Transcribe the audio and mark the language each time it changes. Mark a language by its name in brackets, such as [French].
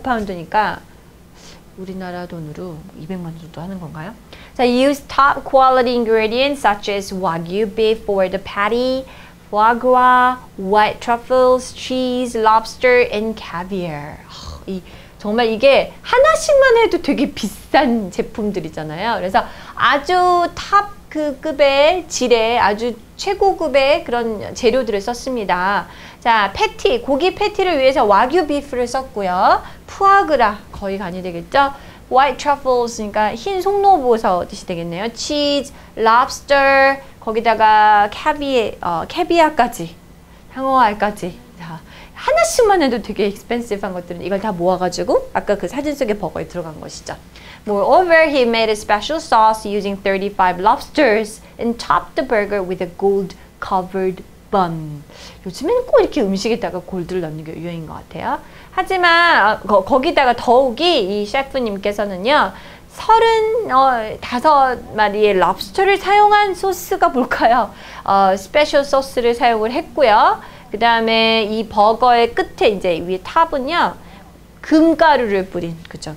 [Korean] 1,785파운드니까 우리나라 돈으로 200만 원 정도 하는 건가요? [English] So use top quality ingredients such as Wagyu beef for the patty, foie gras, white truffles, cheese, lobster, and caviar. [Korean] 정말 이게 하나씩만 해도 되게 비싼 제품들이잖아요. 그래서 아주 탑 그 급의 질의 아주 최고급의 그런 재료들을 썼습니다. 자, 패티, 고기 패티를 위해서 와규 비프를 썼고요. 푸아그라, 거의 간이 되겠죠? [English] White truffles, [Korean] 그러니까 흰 송로버섯 뜻이 되겠네요. [English] Cheese, lobster, [Korean] 거기다가 캐비아까지, 향어알까지. 하나씩만 해도 되게 expensive한 것들은 이걸 다 모아가지고 아까 그 사진 속에 버거에 들어간 것이죠. [English] Moreover, he made a special sauce using 35 lobsters and topped the burger with a gold-covered bun. [Korean] 요즘엔 꼭 이렇게 음식에다가 골드를 넣는 게 유행인 것 같아요. 하지만 거기다가 더욱이 이 셰프님께서는요, 35마리의 lobster를 사용한 소스가 뭘까요? Special 소스를 사용을 했고요. 그 다음에 이 버거의 끝에 이제 위에 탑은요, 금가루를 뿌린, 그죠?